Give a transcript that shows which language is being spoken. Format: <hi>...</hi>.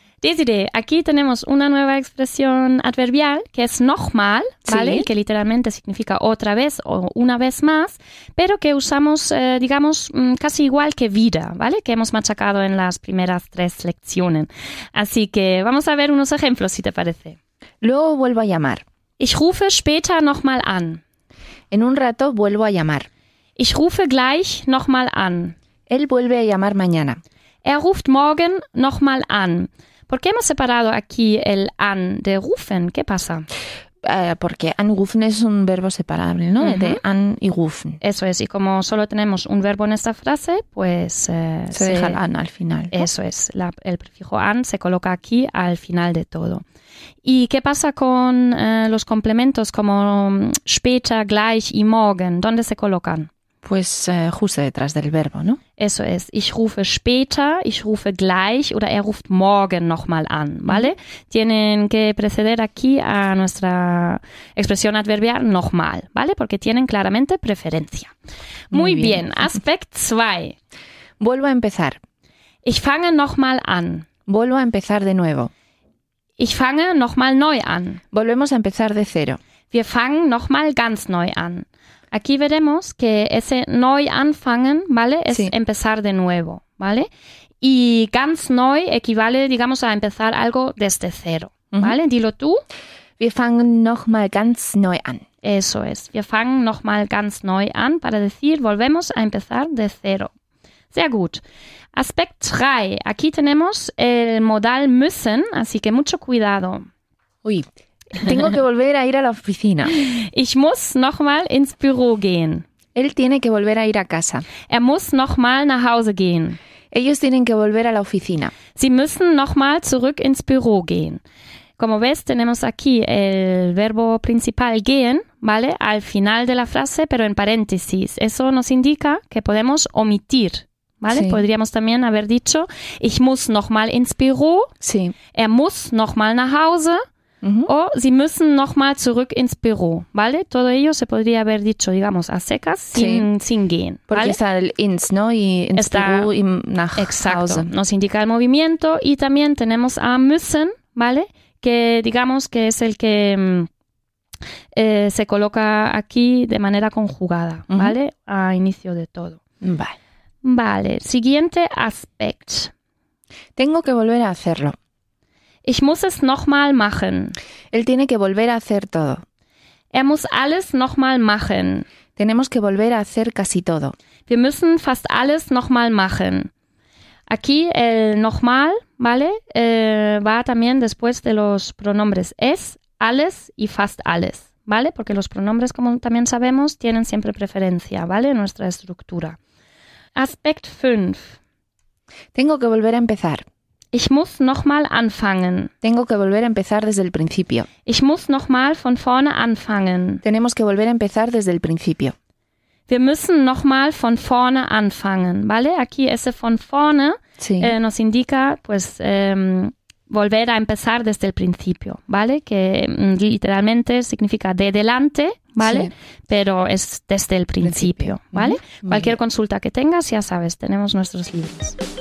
<es>Desiree, aquí tenemos una nueva expresión adverbial que es nochmal, ¿vale? Sí. Que literalmente significa otra vez o una vez más, pero que usamos, digamos, casi igual que wieder, ¿vale? Que hemos machacado en las primeras tres lecciones. Así que vamos a ver unos ejemplos, si te parece. Luego vuelvo a llamar.</es> <de>Ich rufe später nochmal an.</de> <es>En un rato vuelvo a llamar.</es> <de>Ich rufe gleich nochmal an.</de> <es>Él vuelve a llamar mañana.</es> <de>Er ruft morgen nochmal an.</de> <es>¿Por qué hemos separado aquí el an de rufen? ¿Qué pasa? Porque anrufen es un verbo separable, ¿no? Uh-huh. De an y rufen. Eso es. Y como solo tenemos un verbo en esta frase, pues... Se deja el an al final, ¿no? Eso es. El prefijo an se coloca aquí al final de todo. ¿Y qué pasa con los complementos como später, gleich y morgen? ¿Dónde se colocan? Pues justo detrás del verbo, ¿no? Eso es.</es> <de>Ich rufe später, ich rufe gleich oder er ruft morgen nochmal an, ¿vale? Mm-hmm.</de> <es>Tienen que preceder aquí a nuestra expresión adverbial nochmal, ¿vale? Porque tienen claramente preferencia. Muy bien. Aspekt 2. Vuelvo a empezar.</es> <de>Ich fange nochmal an.</de> <es>Vuelvo a empezar de nuevo.</es> <de>Ich fange nochmal neu an.</de> <es>Volvemos a empezar de cero.</es> <de>Wir fangen nochmal ganz neu an.</de> <es>Aquí veremos que ese neu anfangen, ¿vale? Es sí. Empezar de nuevo, ¿vale? Y ganz neu equivale, digamos, a empezar algo desde cero, ¿vale? Uh-huh. Dilo tú.</es> <de>Wir fangen nochmal ganz neu an.</de> <es>Eso es.</es> <de>Wir fangen nochmal ganz neu an,</de> <es>para decir, volvemos a empezar de cero.</es> <de>Sehr gut. Aspekt 3.</de> <es>Aquí tenemos el modal müssen, así que mucho cuidado. Uy. Tengo que volver a ir a la oficina.</es> <de>Ich muss nochmal ins Büro gehen.</de> <es>Él tiene que volver a ir a casa.</es> <de>Er muss nochmal nach Hause gehen.</de> <es>Ellos tienen que volver a la oficina.</es> <de>Sie müssen nochmal zurück ins Büro gehen.</de> <es>Como ves, tenemos aquí el verbo principal gehen, ¿vale? Al final de la frase, pero en paréntesis. Eso nos indica que podemos omitir. ¿Vale? Sí. Podríamos también haber dicho,</es> <de>ich muss nochmal ins Büro.</de> <es>Sí.</es> <de>Er muss nochmal nach Hause. Uh-huh. O sie müssen nochmal zurück ins Büro, ¿vale?</de> <es>Todo ello se podría haber dicho, digamos, a secas, sin gehen. Porque ¿vale? está el ins, ¿no? Y ins está, Büro y nach exacto. Hause. Nos indica el movimiento y también tenemos a müssen, ¿vale? Que digamos que es el que se coloca aquí de manera conjugada, uh-huh. ¿vale? A inicio de todo. Vale. Vale, siguiente aspecto. Tengo que volver a hacerlo.</es> <de>Ich muss es nochmal machen.</de> <es>Él tiene que volver a hacer todo.</es> <de>Er muss alles nochmal machen.</de> <es>Tenemos que volver a hacer casi todo.</es> <de>Wir müssen fast alles nochmal machen.</de> <es>Aquí el nochmal, ¿vale? Va también después de los pronombres es, alles y fast alles, ¿vale? Porque los pronombres, como también sabemos, tienen siempre preferencia, ¿vale? En nuestra estructura. Aspekt 5. Tengo que volver a empezar.</es> <de>Ich muss nochmal anfangen.</de> <es>Tengo que volver a empezar desde el principio.</es> <de>Ich muss nochmal von vorne anfangen.</de> <es>Tenemos que volver a empezar desde el principio.</es> <de>Wir müssen nochmal von vorne anfangen, ¿vale?</de> <es>Aquí ese von vorne sí. Nos indica, pues, volver a empezar desde el principio, ¿vale? Que literalmente significa de delante, ¿vale? Sí. Pero es desde el principio, principio. ¿Vale? Mm-hmm. Cualquier consulta que tengas, ya sabes, tenemos nuestros libros.</es>